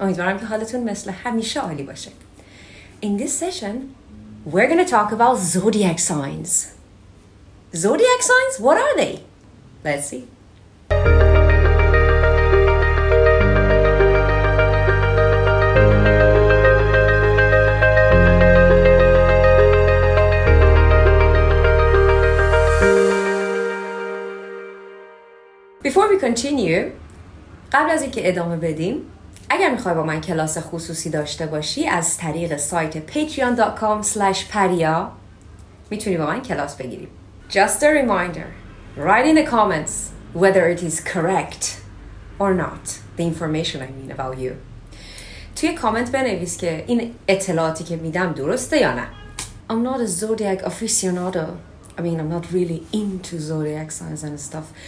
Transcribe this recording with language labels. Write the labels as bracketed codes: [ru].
[fa] امیدوارم که حالتون مثل همیشه عالی باشه. [en] In this session, we're going to talk about zodiac signs. Zodiac signs, what are they? Let's see. Before we continue, [fa] قبل از اینکه ادامه بدیم، اگر میخوای با من کلاس خصوصی داشته باشی از طریق سایت patreon.com/paria میتونی با من کلاس بگیری. [en] Just a reminder, write in the comments whether it is correct or not, the information I mean about you. [fa] توی کامنت بنویس که این اطلاعاتی که میدم درسته یا نه. [en] I'm not a zodiac aficionado. I mean, I'm not really into zodiac signs and stuff.